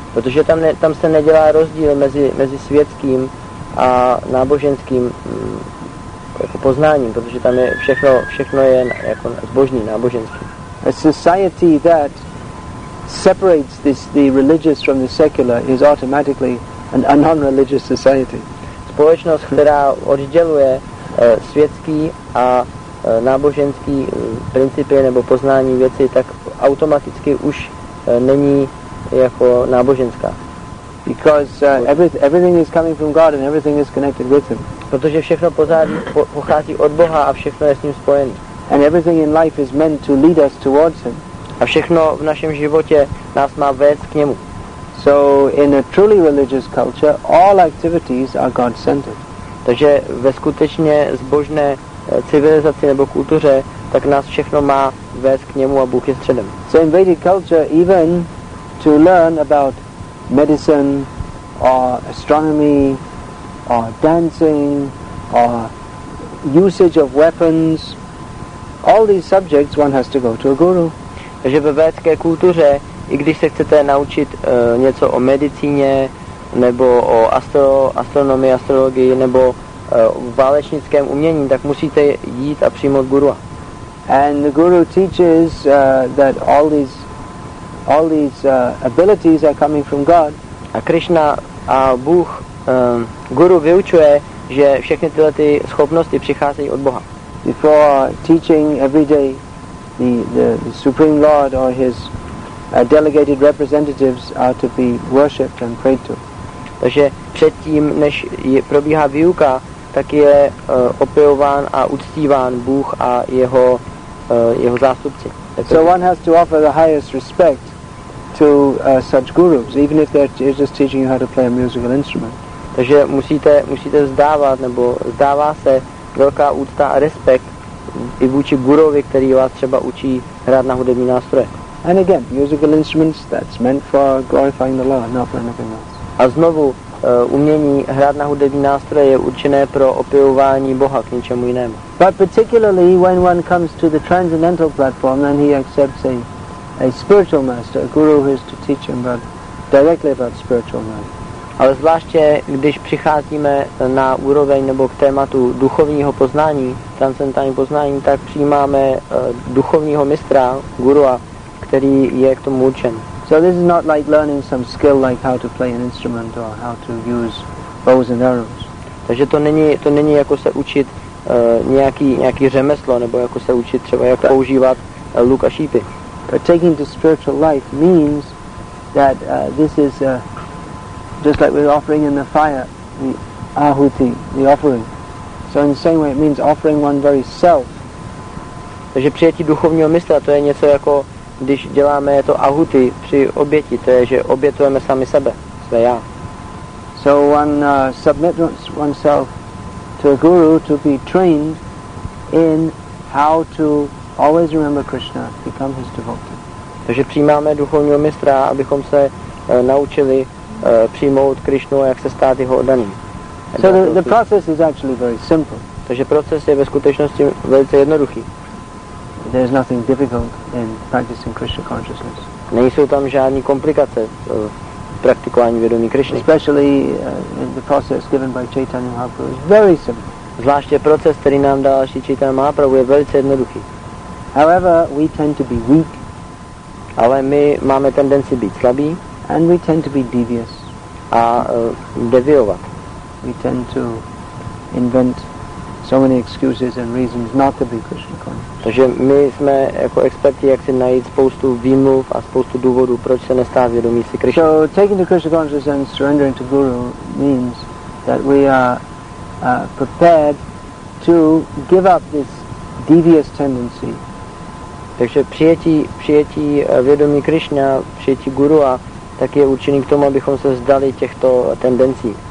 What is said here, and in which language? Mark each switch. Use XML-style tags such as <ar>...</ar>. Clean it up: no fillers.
<cs>Protože tam se nedělá rozdíl mezi světským a náboženským jako poznáním, protože tam je všechno je jako zbožní, náboženský.</cs> <en>A society that separates the religious from the secular is automatically a non-religious society.</en> <cs>Společnost, která odděluje světský a náboženský principy nebo poznání věci, tak automaticky už není jako náboženská.</cs> <en>Because everything is coming from God and everything is connected with Him.</en> <cs>Protože všechno pochází od Boha a všechno je s ním spojené.</cs> <en>And everything in life is meant to lead us towards Him.</en> <cs>A všechno v našem životě nás má vést k němu.</cs> <en>So in a truly religious culture, all activities are God-centered.</en> <cs>Takže ve skutečně zbožné civilizaci nebo kultuře, tak nás všechno má vést k němu a Bůh je středem.</cs> <en>So in Vedic culture, even to learn about medicine or astronomy or dancing or usage of weapons, all these subjects one has to go to a guru.</en> <cs>Takže ve védské kultuře, i když se chcete naučit něco o medicíně nebo o astronomii, astrologii nebo v válečnickém umění, tak musíte jít a přijmout gurua.</cs> <en>And the guru teaches that all these abilities are coming from God.</en> <cs>A Krishna a Bůh guru vyučuje, že všechny tyhle ty schopnosti přicházejí od Boha.</cs> <en>Before teaching every day the Supreme Lord or his delegated representatives are to be worshipped and prayed to.</en> <cs>Takže předtím, než probíhá výuka, tak je opěvován a uctíván Bůh a jeho zástupci.</cs> <en>So one has to offer the highest respect to such gurus, even if they're just teaching you how to play a musical instrument.</en> <cs>Takže musíte vzdávat, nebo vzdává se velká úcta a respekt i vůči gurovi, který vás třeba učí hrát na hudební nástroje.</cs> <en>And again, musical instruments, that's meant for glorifying the Lord, not for anything else.</en> <cs>A znovu, umění hrát na hudební nástroje je určené pro opěvování Boha, k ničemu jinému.</cs> <en>But particularly when one comes to the transcendental platform, then he accepts a spiritual master, a guru who is to teach him about, directly about spiritual life.</en> <cs>Ale zvláště, když přicházíme na úroveň nebo k tématu duchovního poznání, transcendentální poznání, tak přijímáme duchovního mistra, gurua, který je k tomu určen.</cs> <en>So this is not like learning some skill like how to play an instrument or how to use bows and arrows.</en> <cs>Takže to není jako se učit nějaký řemeslo nebo jako se učit třeba jak používat luk a šípy.</cs> <en>But taking to spiritual life means that this is just like we're offering in the fire the ahuti, the offering. So in the same way it means offering one very self.</en> <cs>Takže přijetí duchovního mistra, to je něco jako když děláme to ahuti při oběti, to je, že obětujeme sami sebe, své já.</cs> <en>So one submits oneself to a guru to be trained in how to always remember Krishna, become his devotee.</en> <cs>Takže přijímáme duchovního mistra, abychom se naučili přijmout Krishnu a jak se stát jeho oddaným.</cs> <en>So the process is actually very simple.</en> <cs>Takže proces je ve skutečnosti velice jednoduchý.</cs> <en>There is nothing difficult in practicing Krishna consciousness.</en> <cs>Nejsou tam žádné komplikace v praktikování vědomí Krishny.</cs> <en>Especially in the process given by Chaitanya Mahaprabhu is very simple.</en> <cs>Zvláště proces, který nám dal Sri Chaitanya Mahaprabhu, je velice jednoduchý.</cs> <en>However, we tend to be weak.</en> <cs>Ale my máme tendenci být slabí.</cs> <en>And we tend to be devious.</en> <cs>A deviovat.</cs> <en>We tend to invent so many excuses and reasons not to be Krishna conscious.</en> <cs>Takže my jsme jako experti, jak si najít spoustu výmluv a spoustu důvodů, proč se nestát vědomí si Krishna.</cs> <en>So taking to Krishna conscious and surrendering to Guru means that we are prepared to give up this devious tendency.</en> <cs>Takže přijetí vědomí Krishna, přijetí Guru, a tak je určený k tomu, abychom se vzdali těchto tendencí.</cs>